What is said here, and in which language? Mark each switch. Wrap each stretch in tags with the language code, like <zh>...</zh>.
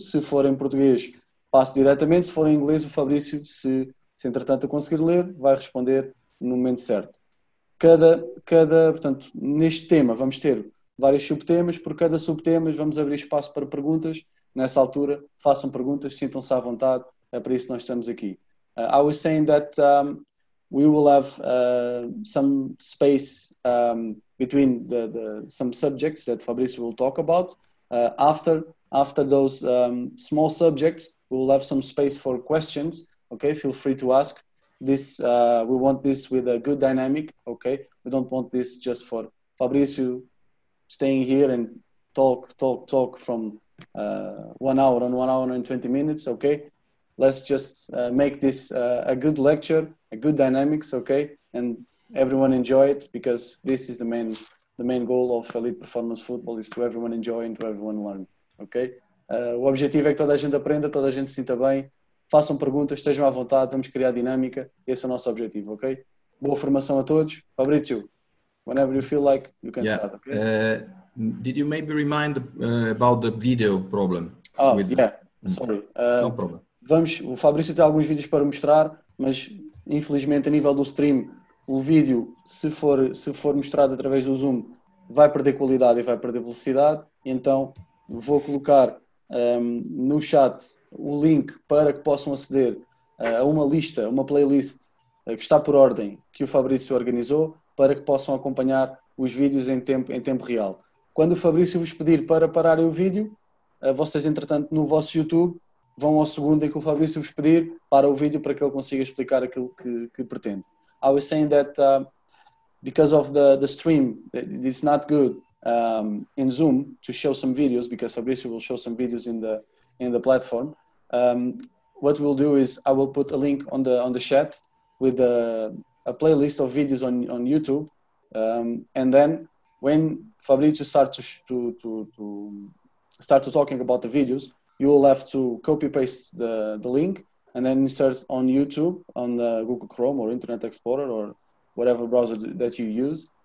<pt>Se for em português, passo diretamente; se for em inglês, o Fabrício, se entretanto eu conseguir ler, vai responder no momento certo. Portanto, neste tema vamos ter vários subtemas, por cada subtema vamos abrir espaço para perguntas. Nessa altura, façam perguntas, sintam-se à vontade. É para isso que nós estamos aqui.</pt> <en>I was saying that we will have some space between the some subjects that Fabrizio will talk about. After those small subjects, we will have some space for questions. Okay, feel free to ask. This we want this with a good dynamic. Okay, we don't want this just for Fabrizio staying here and talk from 1 hour and 1 hour and 20 minutes. Okay. Let's just make this a good lecture, a good dynamics, okay? And everyone enjoy it, because this is the main goal of Elite Performance Football, is to everyone enjoy and to everyone learn, okay?</en> <pt>O objetivo é que toda a gente aprenda, toda a gente se sinta bem, façam perguntas, estejam à vontade, vamos criar dinâmica, esse é o nosso objetivo, okay? Boa formação a todos.</pt> <en>Fabrizio, whenever you feel like, you can start, okay? Did you maybe remind about the video problem? Oh, yeah, sorry. No problem.</en> <pt>Vamos, o Fabrício tem alguns vídeos para mostrar, mas infelizmente a nível do stream, o vídeo, se for mostrado através do Zoom, vai perder qualidade e vai perder velocidade. Então vou colocar no chat o link para que possam aceder a uma lista, uma playlist que está por ordem, que o Fabrício organizou, para que possam acompanhar os vídeos em tempo real. Quando o Fabrício vos pedir para pararem o vídeo, vocês entretanto no vosso YouTube vão ao segundo em que o Fabrício vos pedir para o vídeo para que ele consiga explicar aquilo que pretende.</pt> <en>I was saying that because of the stream, it's not good in Zoom to show some videos, because Fabrício will show some videos in the platform. What we'll do is I will put a link on the chat with a playlist of videos on YouTube, and then when Fabrizio starts to start talking about the videos, you will have to copy paste the link and then insert on YouTube, on the Google Chrome or Internet Explorer or whatever browser that you use.</en>